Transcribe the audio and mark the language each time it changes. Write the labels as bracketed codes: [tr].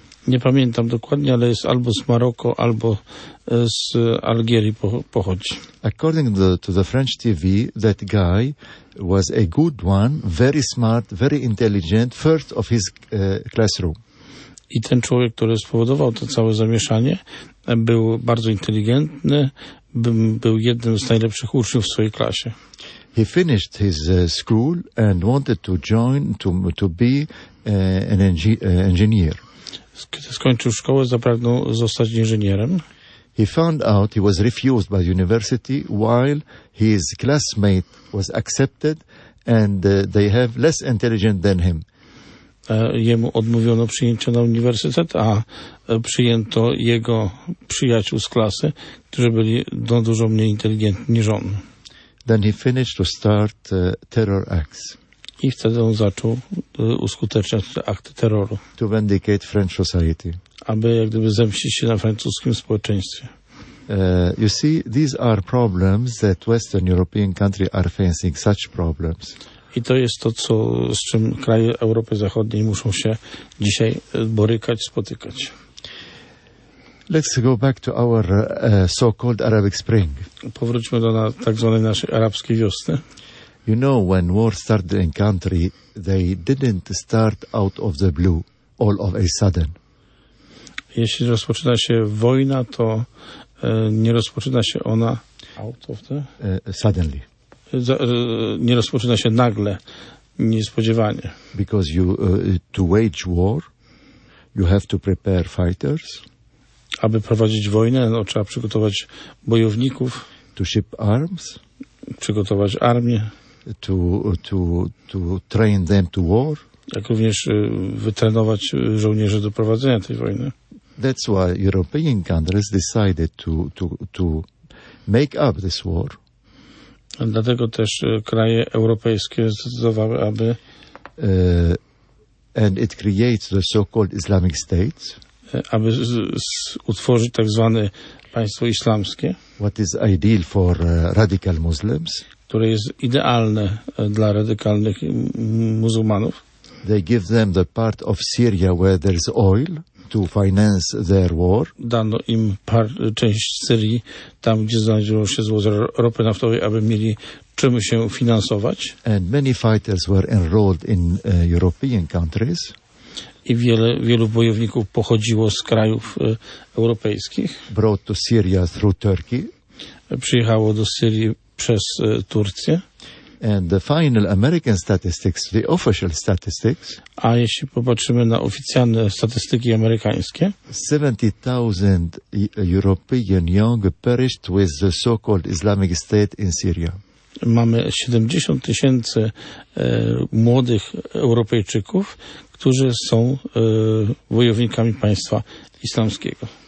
[pl] Nie pamiętam dokładnie, ale jest albo z Maroko, albo z Algierii pochodzi. [en] According to the French TV, that guy was a good one, very smart, very intelligent, first of his classroom. [pl] I ten człowiek, który spowodował to całe zamieszanie, był bardzo inteligentny, był jednym z najlepszych uczniów w swojej klasie. [en] He finished his school and wanted to join to be an engineer. [pl] Kiedy skończył szkołę, zapragnął zostać inżynierem. [en] He found out he was refused by university while his classmate was accepted and they have less intelligent than him. [pl] Jemu odmówiono przyjęcia na uniwersytet, a przyjęto jego przyjaciół z klasy, którzy byli dużo mniej inteligentni niż on. [en] Then he finished to start terror acts. [pl] I wtedy on zaczął uskuteczniać akty terroru. [en] To vindicate French society. [pl] Aby jak gdyby zemścić się na francuskim społeczeństwie. [en] You see, these are problems that Western European countries are facing, such problems. [pl] I to jest to, z czym kraje Europy Zachodniej muszą się dzisiaj borykać, spotykać. [en] Let's go back to our so-called Arabic Spring. [pl] Powróćmy do tak zwanej naszej arabskiej wiosny. [en] You know, when war started in country, they didn't start out of the blue, all of a sudden. [pl] Jeśli rozpoczyna się wojna, to nie rozpoczyna się ona [en] out of the... Suddenly. [pl] Nie rozpoczyna się nagle, niespodziewanie. [en] Because you to wage war, you have to prepare fighters. [pl] Aby prowadzić wojnę, trzeba przygotować bojowników. [en] To ship arms. [pl] Przygotować armię. [en] To train them to war. [pl] Jak również wytrenować żołnierzy do prowadzenia tej wojny. [en] That's why European countries decided to make up this war. [pl] A dlatego też kraje europejskie zdecydowały, aby [en] and it creates the so-called Islamic states. [pl] Aby utworzyć tak zwane państwo islamskie. [en] What is ideal for radical Muslims? [pl] Które jest idealne dla radykalnych muzułmanów. [en] They give them the part of Syria where there's oil to finance their war. [pl] Dano im część Syrii, tam gdzie znajdują się złoża ropy naftowej, aby mieli czym się finansować. [en] And many fighters were enrolled in European countries. [pl] I wielu bojowników pochodziło z krajów europejskich. [en] Brought to Syria through Turkey. [pl] Przyjechało do Syrii przez Turcję. [en] And the final American statistics, the official statistics. [pl] A jeśli popatrzymy na oficjalne statystyki amerykańskie. [en] 70,000 European young perished with the so-called Islamic State in Syria. [pl] Mamy 70 tysięcy młodych Europejczyków, którzy są wojownikami państwa islamskiego.